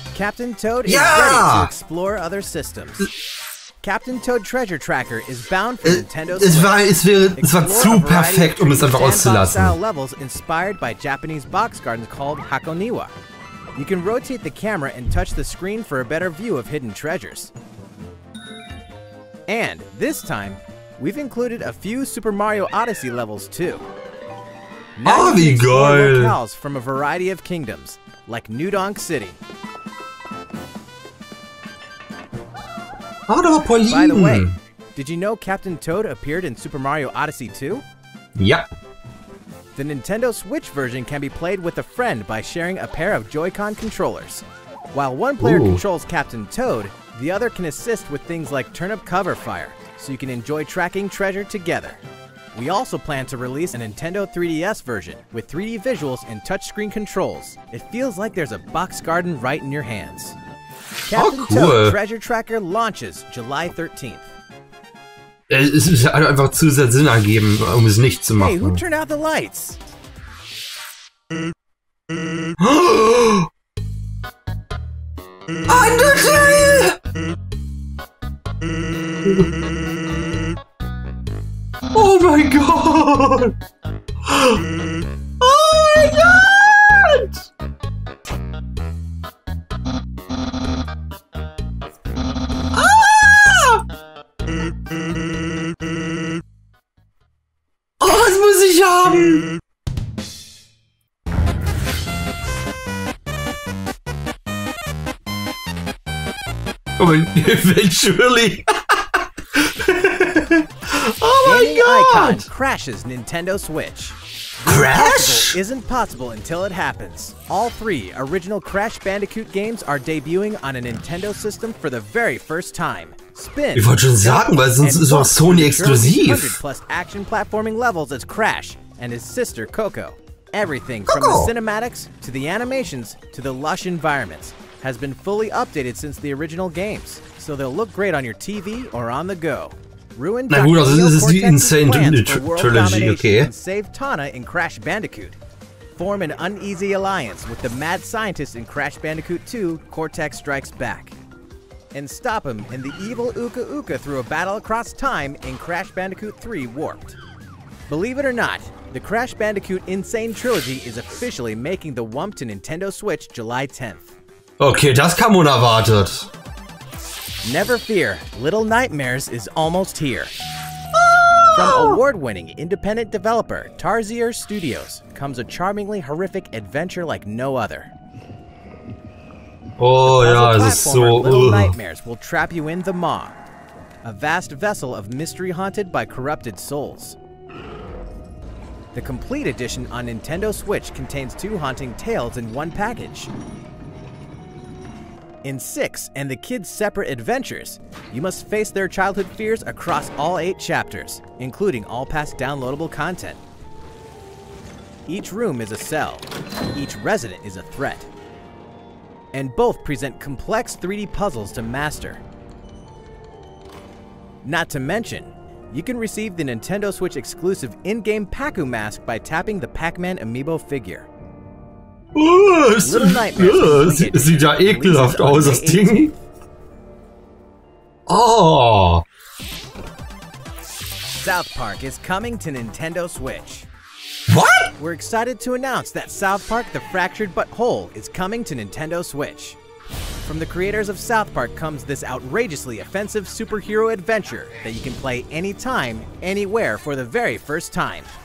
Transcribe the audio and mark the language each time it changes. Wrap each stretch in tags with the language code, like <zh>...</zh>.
<en>Captain Toad is ready to explore other systems. Captain Toad Treasure Tracker is bound for Nintendo Switch.</en> <de>Es war zu perfekt, um es einfach auszulassen.</de> <en>Sandbox-style levels inspired by Japanese box gardens called Hakoniwa. You can rotate the camera and touch the screen for a better view of hidden treasures. And this time, we've included a few Super Mario Odyssey levels too. Now you can explore locales from a variety of kingdoms, like New Donk City. Oh, that was Pauline. By the way, did you know Captain Toad appeared in Super Mario Odyssey 2? Yep. The Nintendo Switch version can be played with a friend by sharing a pair of Joy-Con controllers. While one player controls Captain Toad, the other can assist with things like turnip cover fire, so you can enjoy tracking treasure together. We also plan to release a Nintendo 3DS version with 3D visuals and touchscreen controls. It feels like there's a box garden right in your hands. Captain Toad Treasure Tracker launches July 13th.</en> <de>Es ist einfach zu sehr Sinn ergeben, um es nicht zu machen.</de> <en>Hey, who turned out the lights? Undertale!</en> <de>Oh mein Gott! Oh mein Gott! Oh, das muss ich haben! Oh mein Gott, eventually! Oh mein Gott!</de> <en>Crashes Nintendo Switch. Crash? Isn't possible until it happens. All three original Crash Bandicoot games are debuting on a Nintendo system for the very first time. Spin.</en> <de>Ich wollte schon sagen, weil sonst ist auch Sony exklusiv.</de> <en>Plus action platforming levels as Crash and his sister Coco. Everything from the cinematics to the animations to the lush environments has been fully updated since the original games, so they'll look great on your TV or on the go.</en> <de>Ruined Na gut, also das ist die Insane Trilogy, okay.</de> <en>Save Tana in Crash Bandicoot. Form an uneasy alliance with the mad scientist in Crash Bandicoot 2, Cortex Strikes Back. And stop him in the evil Uka Uka through a battle across time in Crash Bandicoot 3 Warped. Believe it or not, the Crash Bandicoot Insane Trilogy is officially making the jump to Nintendo Switch July 10th.</en> <de>Okay, das kam unerwartet.</de> <en>Never fear, Little Nightmares is almost here. Ah! From award-winning independent developer Tarsier Studios comes a charmingly horrific adventure like no other. Oh, yeah, this is so... Little Nightmares will trap you in the Maw, a vast vessel of mystery haunted by corrupted souls. The complete edition on Nintendo Switch contains two haunting tales in one package. In Six and the Kids' Separate Adventures, you must face their childhood fears across all 8 chapters, including all past downloadable content. Each room is a cell, each resident is a threat, and both present complex 3D puzzles to master. Not to mention, you can receive the Nintendo Switch exclusive in-game Paku mask by tapping the Pac-Man amiibo figure.</en> <de>Sieht ja ekelhaft aus, das Ding.</de> <en>Oh. South Park is coming to Nintendo Switch. What? We're excited to announce that South Park The Fractured But Whole is coming to Nintendo Switch. From the creators of South Park comes this outrageously offensive superhero adventure that you can play anytime, anywhere for the very first time.</en>